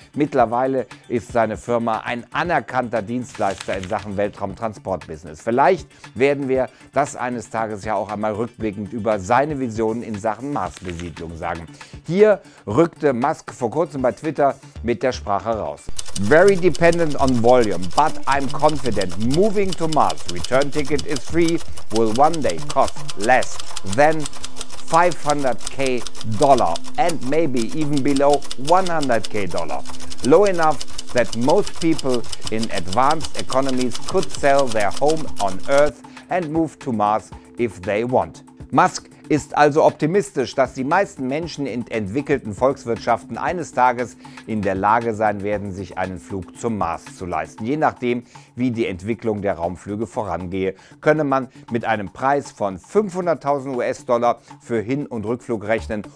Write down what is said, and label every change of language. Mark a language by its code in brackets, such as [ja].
[de] Mittlerweile ist seine Firma ein anerkannter Dienstleister in Sachen Weltraumtransportbusiness. Vielleicht werden wir das eines Tages ja auch einmal rückblickend über seine Visionen in Sachen Marsbesiedlung sagen. Hier rückte Musk vor kurzem bei Twitter mit der Sprache raus. [en] Very dependent on volume, but I'm confident moving to Mars. Return ticket is free, will one day cost less than $500,000 and maybe even below $100,000. Low enough that most people in advanced economies could sell their home on Earth and move to Mars if they want. [de] Musk ist also optimistisch, dass die meisten Menschen in entwickelten Volkswirtschaften eines Tages in der Lage sein werden, sich einen Flug zum Mars zu leisten. Je nachdem, wie die Entwicklung der Raumflüge vorangehe, könne man mit einem Preis von 500.000 US-Dollar für Hin- und Rückflug rechnen.